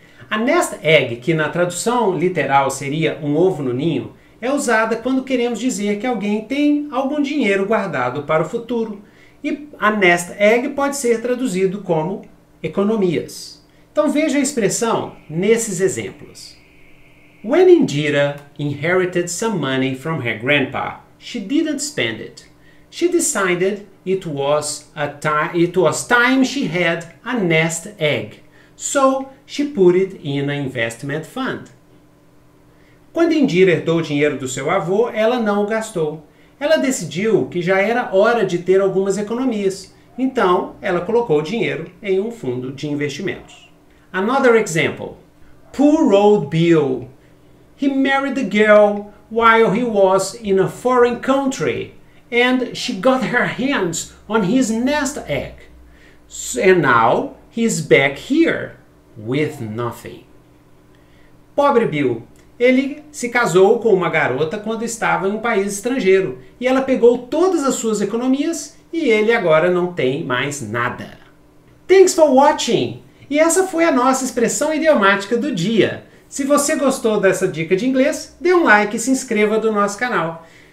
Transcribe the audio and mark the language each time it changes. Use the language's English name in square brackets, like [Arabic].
[Portuguese] A nest egg, que na tradução literal seria um ovo no ninho, é usada quando queremos dizer que alguém tem algum dinheiro guardado para o futuro. E a nest egg pode ser traduzido como economias. Então veja a expressão nesses exemplos. [English] When Indira inherited some money from her grandpa, she didn't spend it. She decided it was time she had a nest egg. So, she put it in an investment fund. [Portuguese] Quando Indira herdou o dinheiro do seu avô, ela não o gastou. Ela decidiu que já era hora de ter algumas economias. Então, ela colocou o dinheiro em um fundo de investimentos. [English] Another example. Poor old Bill. He married a girl while he was in a foreign country. And she got her hands on his nest egg. And now, he's back here with nothing. [Portuguese] Pobre Bill. Ele se casou com uma garota quando estava em um país estrangeiro. E ela pegou todas as suas economias e ele agora não tem mais nada. [English] Thanks for watching! [Portuguese] E essa foi a nossa expressão idiomática do dia. Se você gostou dessa dica de inglês, dê um like e se inscreva no nosso canal.